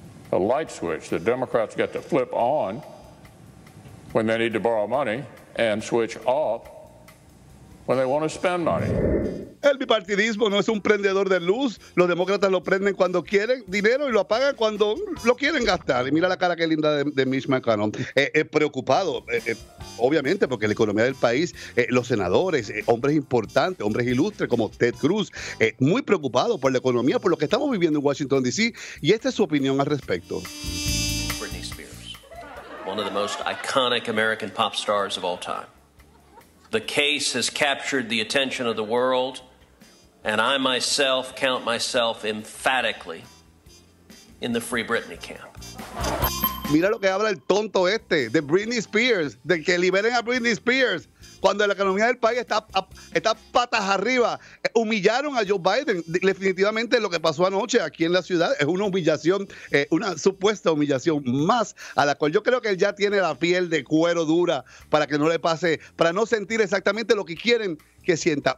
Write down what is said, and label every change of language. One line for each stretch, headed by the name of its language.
Spanish: A light switch that Democrats get to flip on when they need to borrow money and switch off when they want to spend money. El bipartidismo no es un prendedor de luz. Los demócratas lo prenden cuando quieren dinero y lo apagan cuando lo quieren gastar. Y mira la cara que linda de Mitch McConnell. Preocupado, obviamente, porque la economía del país, los senadores, hombres importantes, hombres ilustres como Ted Cruz, muy preocupado por la economía, por lo que estamos viviendo en Washington, D.C. Y esta es su opinión al respecto.
English: Britney Spears, one of the most iconic American pop stars of all time. The case has captured the attention of the world, and I myself count myself emphatically in the Free Britney camp.
Spanish: Mira lo que habla el tonto este de Britney Spears, de que liberen a Britney Spears cuando la economía del país está patas arriba. Humillaron a Joe Biden. Definitivamente lo que pasó anoche aquí en la ciudad es una humillación, una supuesta humillación más, a la cual yo creo que él ya tiene la piel de cuero dura para que no le pase, para no sentir exactamente lo que quieren que sienta.